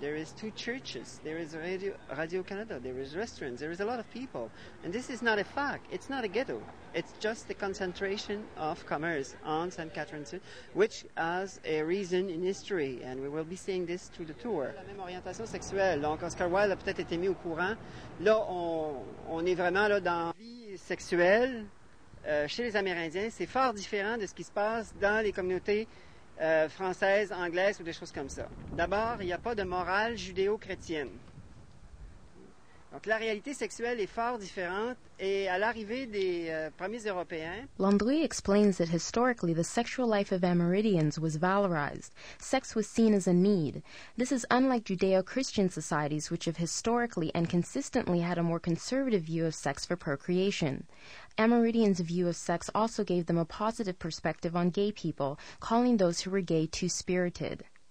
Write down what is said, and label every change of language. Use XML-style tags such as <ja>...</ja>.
<en>There is two churches. There is Radio Canada. There is restaurants. There is a lot of people. And this is not a fact. It's not a ghetto. It's just the concentration of commerce on St. Catherine Street, which has a reason in history. And we will be seeing this through the tour.</en> <fr>La même orientation sexuelle. Donc Oscar Wilde a peut-être été mis au courant. Là, on est vraiment là dans vie sexuelle chez les Amérindiens. C'est fort différent de ce qui se passe dans les communautés française, anglaise ou des choses comme ça. D'abord, il n'y a pas de morale judéo-chrétienne. Donc la réalité sexuelle est fort différente et à l'arrivée des premiers Européens...</fr> <en>Landry explains that historically the sexual life of Amerindians was valorized. Sex was seen as a need. This is unlike Judeo-Christian societies which have historically and consistently had a more conservative view of sex for procreation. Amerindians' view of sex also gave them a positive perspective on gay people, calling those who were gay two-spirited.</en>